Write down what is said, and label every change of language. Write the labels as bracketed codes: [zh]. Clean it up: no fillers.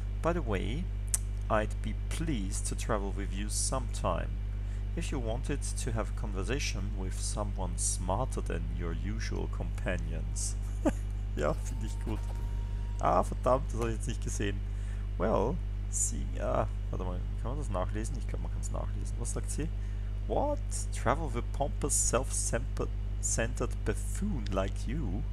[en] By the way, I'd be pleased to travel with you sometime. If you wanted to have a conversation with someone smarter than your usual companions. [de] Ja, finde ich gut. Ah, verdammt, das habe ich jetzt nicht gesehen. Well, sie, warte mal, kann man das nachlesen? Ich glaube, man kann es nachlesen. Was sagt sie? [en] What? Travel with pompous, self-centered buffoon like you?